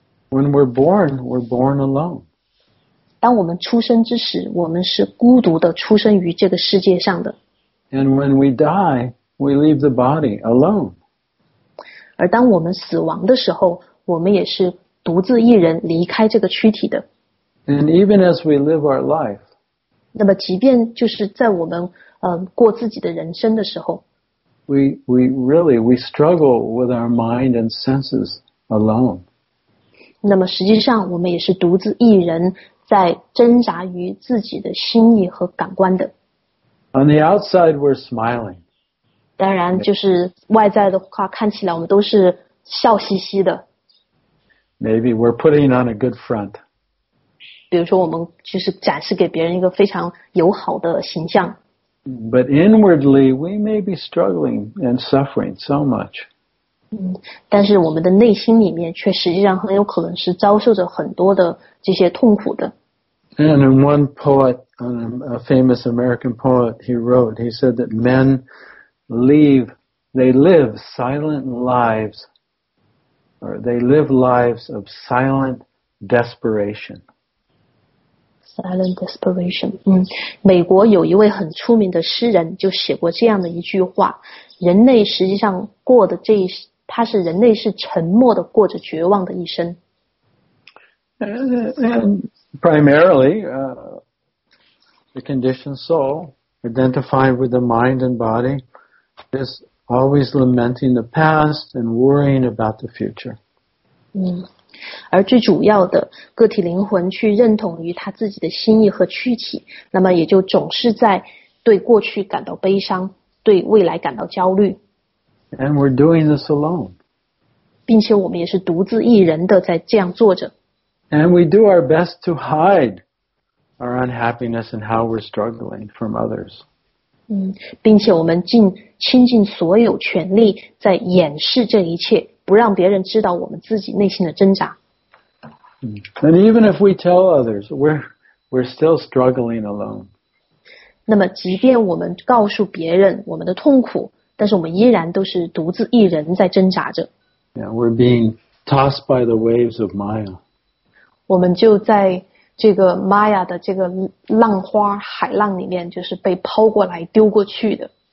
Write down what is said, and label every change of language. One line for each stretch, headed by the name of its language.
English: When we're born alone.
Chinese: 当我们出生之时，我们是孤独的出生于这个世界上的。
English: And when we die, we leave the body alone.
Chinese: 而当我们死亡的时候，我们也是独自一人离开这个躯体的。
English: And even as we live our life,
Chinese: 那么即便就是在我们过自己的人生的时候，
English: we really struggle with our mind and senses alone.
Chinese: 那么实际上我们也是独自一人在挣扎于自己的心意和感官的。
English: On the outside, we're smiling.
Chinese: 当然就是外在的话看起来我们都是笑嘻嘻的。
English: Maybe we're putting on a good front.
Chinese: 比如说我们就是展示给别人一个非常友好的形象。
English: But inwardly, we may be struggling and suffering so much.
Chinese: 但是我们的内心里面却实际上很有可能是遭受着很多的这些痛苦的。
English: And in one poet, a famous American poet, he wrote, he said that men... They live silent lives, or they live lives of silent desperation. Silent desperation.
Chinese: 美国有一位很出名的诗人就写过这样的一句话，人类实际上过的这一，他是人类是沉默的过着绝望的一生。
English: And primarily, the conditioned soul identified with the mind and body. Is always lamenting the past and worrying about the future.
Chinese: 而最主要的，个体灵魂去认同于他自己的心意和躯体，那么也就总是在对过去感到悲伤，对未来感到焦虑。
English: And we're doing this alone.
Chinese: 并且我们也是独自一人的在这样做着。
English: And we do our best to hide our unhappiness and how we're struggling from others.
Chinese: 并且我们倾尽所有权力在掩饰这一切，不让别人知道我们自己内心的挣扎。
English: And even if we tell others, we're still struggling alone.
Chinese: 那么即便我们告诉别人我们的痛苦，但是我们依然都是独自一人在挣扎着。
English: Yeah, we're being tossed by the waves of Maya.
Chinese: 我们就在这个 Maya 的这个浪花海浪里面，就是被抛过来丢过去的。